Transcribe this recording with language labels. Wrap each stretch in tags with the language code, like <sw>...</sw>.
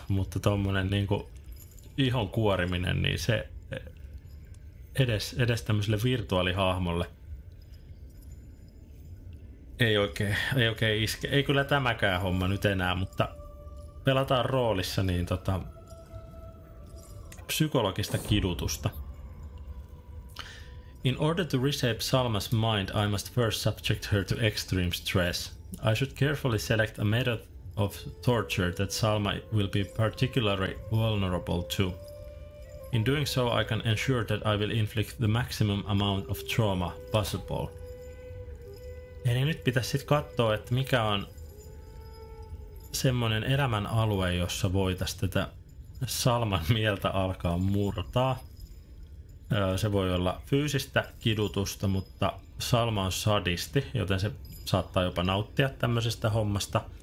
<fi>Mutta tommonen niinku... ihon kuoriminen, niin se edes tämmöiselle virtuaalihahmolle ei oikein iske. Ei kyllä tämäkään homma nyt enää, mutta pelataan roolissa niin psykologista kidutusta.</fi> <en>In order to reshape Salma's mind, I must first subject her to extreme stress. I should carefully select a method of torture that Salma will be particularly vulnerable to. In doing so, I can ensure that I will inflict the maximum amount of trauma possible.</en> <fi>Eli nyt pitäisi sitten katsoa, että mikä on semmoinen elämän alue, jossa voitaisiin tätä Salman mieltä alkaa murtaa. Se voi olla fyysistä kidutusta, mutta Salma on sadisti, joten se saattaa jopa nauttia tämmöisestä hommasta.</fi>